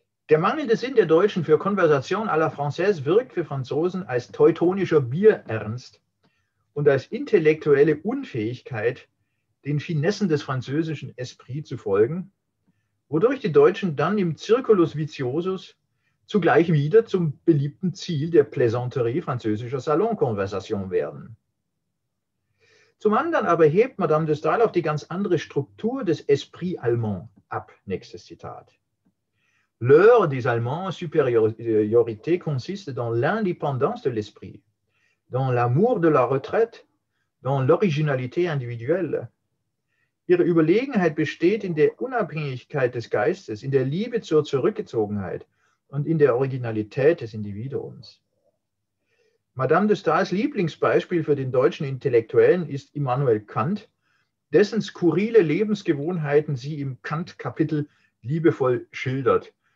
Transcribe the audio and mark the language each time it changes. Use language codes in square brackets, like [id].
[de] Der mangelnde Sinn der Deutschen für Konversation à la Française wirkt für Franzosen als teutonischer Bierernst und als intellektuelle Unfähigkeit, den Finessen des französischen Esprit zu folgen, wodurch die Deutschen dann im Circulus Viciosus zugleich wieder zum beliebten Ziel der Plaisanterie französischer Salonkonversation werden. Zum anderen aber hebt Madame de Staël auch die ganz andere Struktur des Esprit allemand ab. Nächstes Zitat. [fr] L'heure des Allemands supériorité consiste dans l'indépendance de l'esprit, dans l'amour de la retraite, dans l'originalité individuelle. [de] Ihre Überlegenheit besteht in der Unabhängigkeit des Geistes, in der Liebe zur Zurückgezogenheit und in der Originalität des Individuums. Madame de Staël's Lieblingsbeispiel für den deutschen Intellektuellen ist Immanuel Kant, dessen skurrile Lebensgewohnheiten sie im Kant-Kapitel liebevoll schildert.